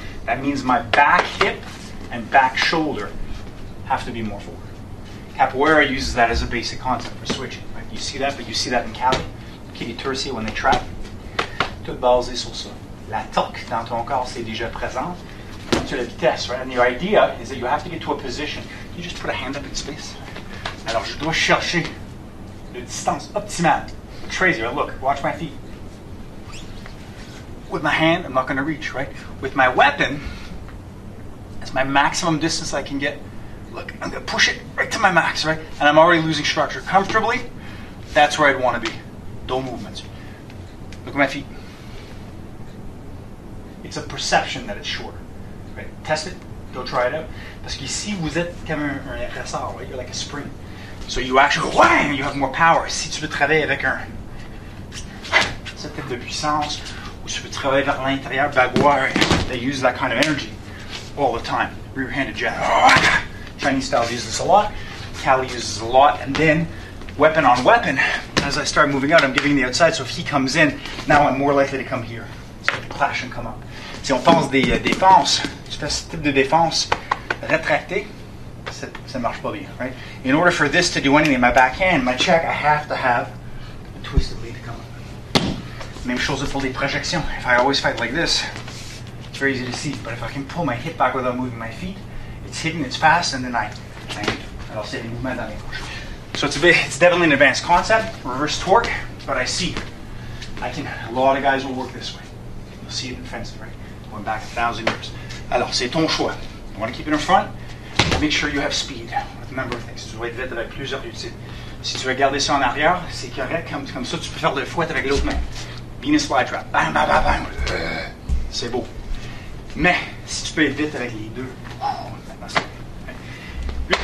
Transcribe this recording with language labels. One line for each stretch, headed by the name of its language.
English: That means my back hip and back shoulder have to be more forward. Capoeira uses that as a basic concept for switching. Right? You see that, but you see that in Cali. Kitty Tercy when they trap.
French: Tout basé sur ça. La torque dans ton corps, c'est déjà présent. Sur la vitesse,
English: right? And your idea is that you have to get to a position. You just put a hand up in space.
French: Alors, je dois chercher la distance optimale.
English: Crazy, right? Look, watch my feet. With my hand, I'm not going to reach, right? With my weapon, that's my maximum distance I can get. Look, I'm going to push it right to my max, right? And I'm already losing structure. Comfortably, that's where I'd want to be. No movements. Look at my feet. It's a perception that it's shorter. Right? Test it. Go try it out.
French: Parce que si vous êtes comme un ressort, right?
English: You're like a spring. So you actually, wham, you have more power.
French: Si tu veux travailler avec un ce type de puissance, ou tu veux travailler vers l'intérieur, Bagua,
English: they use that kind of energy all the time.
French: Rear-handed jab.
English: Chinese styles use this a lot. Cali uses a lot. And then, weapon on weapon, as I start moving out, I'm giving the outside. So if he comes in, now I'm more likely to come here. So the clash and come up.
French: Si on pense des défenses, tu fais ce type de défense rétractée, ça marche pas bien, right?
English: In order for this to do anything, my backhand, my check, I have to have a twisted lead to come up.
French: Même chose pour les projections.
English: If I always fight like this, it's very easy to see. But if I can pull my hip back without moving my feet, it's hidden, it's fast, and then I need it. I'll see the movement
French: dans les poches.
English: So it's definitely an advanced concept, reverse torque, but I see. I can, a lot of guys will work this way. You'll see it in fencing, right? Going back 1,000 years.
French: Alors, c'est ton choix.
English: You want to keep it in front? Make sure you have speed with a number of things.
French: Tu dois être vite avec plusieurs outils. Si tu veux garder ça en arrière, c'est correct. Comme ça, tu peux faire le fouet avec l'autre main. Venus flytrap. Bam, bam, bam, bam. C'est beau. Mais si tu peux être vite avec les deux, maintenant c'est bien.